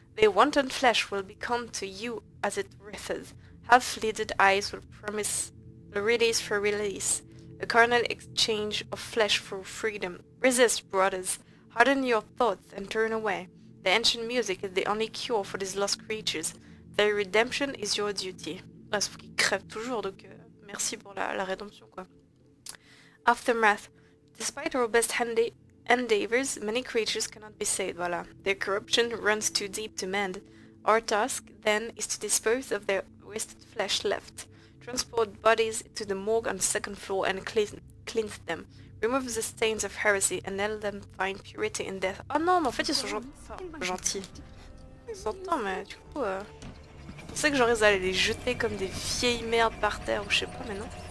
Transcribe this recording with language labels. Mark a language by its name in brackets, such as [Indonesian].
[English] Their wanton flesh will become to you as it writheth. Half-lidded eyes will promise the release for release. A carnal exchange of flesh for freedom. Resist, brothers. Harden your thoughts and turn away. The ancient music is the only cure for these lost creatures. Their redemption is your duty. [French] Ah, c'est pour qu'ils crèvent toujours, donc merci pour la rédemption, quoi. [English] Aftermath. Despite our best endeavors, many creatures cannot be saved, voilà. Their corruption runs too deep to mend. Our task, then, is to dispose of their wasted flesh left. Transport bodies to the morgue on the second floor and cleanse them. Remove the stains of heresy and let them find purity in death. [French] Oh non, mais en fait ils sont gentils. Ils s'entendent, mais du coup... je pensais que j'aurais allé les jeter comme des vieilles merdes par terre ou je sais pas, mais non.